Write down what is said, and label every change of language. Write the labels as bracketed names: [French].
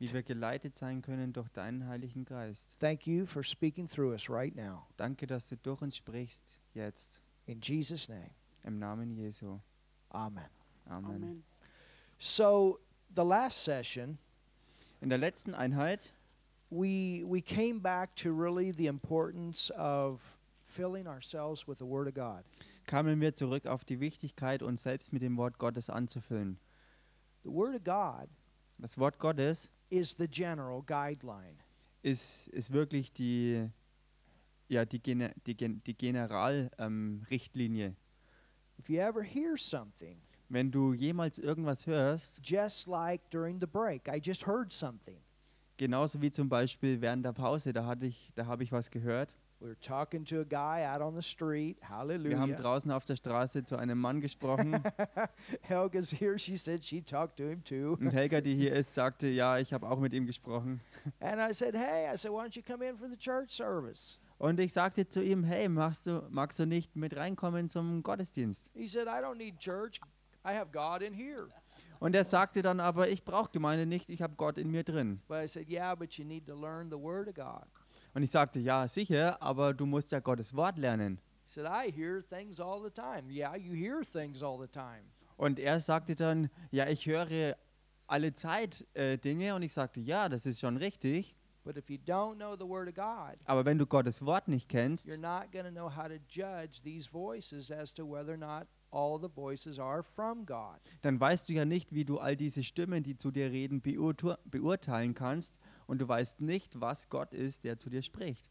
[German] Wie wir geleitet sein können durch deinen Heiligen Geist. [English] Thank you for speaking through us right now. [German] Danke, dass du durch uns sprichst jetzt. [English] In Jesus' name. [German] Im Namen Jesu. Amen. Amen. [English] So, the last session, [German] in der letzten Einheit, [English] we came back to really the importance of filling ourselves with the Word of God. [German] Kamen wir zurück auf die Wichtigkeit, uns selbst mit dem Wort Gottes anzufüllen. [English] The Word of God, [German] das Wort Gottes, [English] is the general guideline. [German] Ist wirklich die Generalrichtlinie. [English] If you ever hear something, [German] wenn du jemals irgendwas hörst, [English] just like during the break, I just heard something. [German] Genauso wie zum Beispiel während der Pause, da habe ich was gehört. [English] We're talking to a guy out on the street. Hallelujah. [German] Wir haben draußen auf der Straße zu einem Mann gesprochen. [English] Helga's here. She said she talked to him too. [German] Und Helga, die hier ist, sagte, ja, ich habe auch mit ihm gesprochen. [English] And I said, hey, why don't you come in for the church service? [German] Und ich sagte zu ihm, hey, magst du nicht mit reinkommen zum Gottesdienst? [English] He said, I don't need church. I have God in here. [German] Und er sagte dann aber, ich brauche Gemeinde nicht, ich habe Gott in mir drin. [English] But I said, yeah, but you need to learn the Word of God. [German] Und ich sagte, ja, sicher, aber du musst ja Gottes Wort lernen. [English] He said, I hear things all the time. Yeah, you hear things all the time. [German] Und er sagte dann, ja, ich höre alle Zeit Dinge. Und ich sagte, ja, das ist schon richtig. [English] But if you don't know the Word of God, [German] aber wenn du Gottes Wort nicht kennst, [English] you're not going to know how to judge these voices as to whether or not all the voices are from God. [German] Dann weißt du ja nicht, wie du all diese Stimmen, die zu dir reden, beurteilen kannst, und du weißt nicht, was Gott ist, der zu dir spricht.